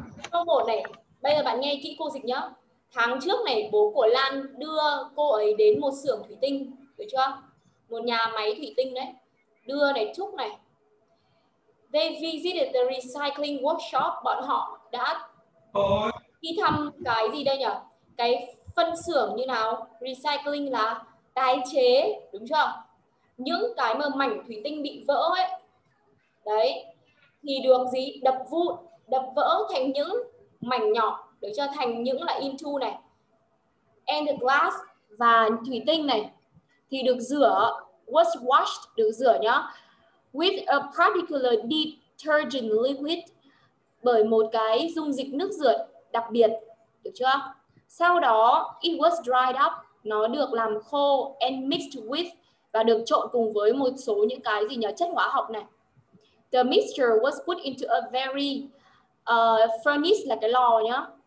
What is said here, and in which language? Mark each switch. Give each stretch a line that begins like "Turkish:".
Vietnamese: Câu 1 này, bây giờ bạn nghe kỹ cô dịch nhá. Tháng trước này, bố của Lan đưa cô ấy đến một xưởng thủy tinh, được chưa? Một nhà máy thủy tinh đấy. Đưa này, Trúc này.
English: They visited the recycling workshop.
Vietnamese: Bọn họ đã đi thăm cái gì đây nhỉ? Cái phân xưởng như nào? Recycling là tái chế, đúng chưa? Những cái mà mảnh thủy tinh bị vỡ ấy, đấy, thì được gì? Đập vụn, đập vỡ thành những mảnh nhỏ, được chưa? Thành những là into này,
English: and the glass
Vietnamese: và thủy tinh này, thì được rửa,
English: was washed,
Vietnamese: được rửa nhá.
English: With a particular detergent liquid,
Vietnamese: bởi một cái dung dịch nước rửa đặc biệt, được chưa? Sau đó,
English: it was dried up,
Vietnamese: nó được làm khô
English: and mixed with,
Vietnamese: và được trộn cùng với một số những cái gì nhỉ? Chất hóa học này.
English: The mixture was put into a very furnace,
Vietnamese: là cái lò nhá.